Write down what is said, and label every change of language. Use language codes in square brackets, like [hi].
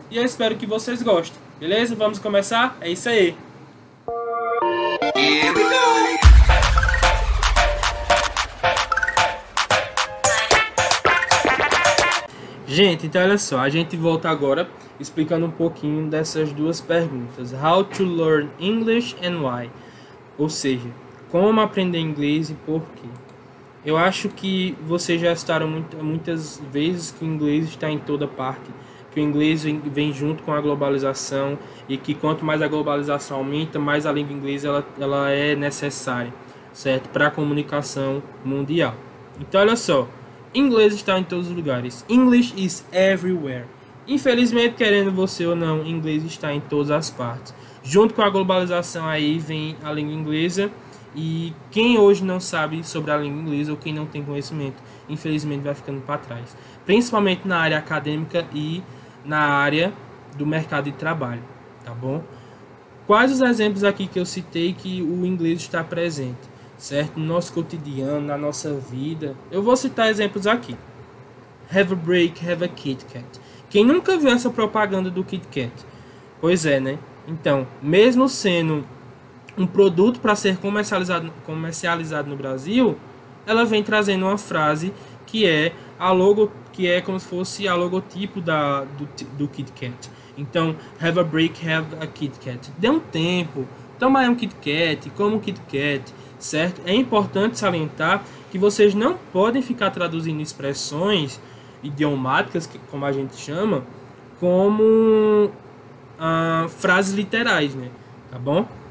[pt] E eu espero que vocês gostem, beleza? Vamos começar? É isso aí! Gente, então olha só, a gente volta agora explicando um pouquinho dessas duas perguntas. [en] How to learn English and why? [pt] Ou seja, como aprender inglês e por quê? Eu acho que vocês já citaram muitas vezes que o inglês está em toda parte, que o inglês vem junto com a globalização e que quanto mais a globalização aumenta, mais a língua inglesa ela é necessária, certo? Para a comunicação mundial. Então olha só, inglês está em todos os lugares. [en] English is everywhere. [pt] Infelizmente, querendo você ou não, inglês está em todas as partes. Junto com a globalização aí vem a língua inglesa. E quem hoje não sabe sobre a língua inglesa ou quem não tem conhecimento, infelizmente vai ficando para trás. Principalmente na área acadêmica e na área do mercado de trabalho, tá bom? Quais os exemplos aqui que eu citei que o inglês está presente, certo? No nosso cotidiano, na nossa vida. Eu vou citar exemplos aqui. [en] Have a break, have a Kit Kat. [pt] Quem nunca viu essa propaganda do Kit Kat? Pois é, né? Então, mesmo sendo um produto para ser comercializado no Brasil, ela vem trazendo uma frase que é a logo, que é como se fosse a logotipo do Kit Kat. [en] Então, have a break, have a Kit Kat. [pt] Dê um tempo, toma aí um Kit Kat, coma um Kit Kat, certo? É importante salientar que vocês não podem ficar traduzindo expressões idiomáticas, como a gente chama, como frases literais, né? Tá bom?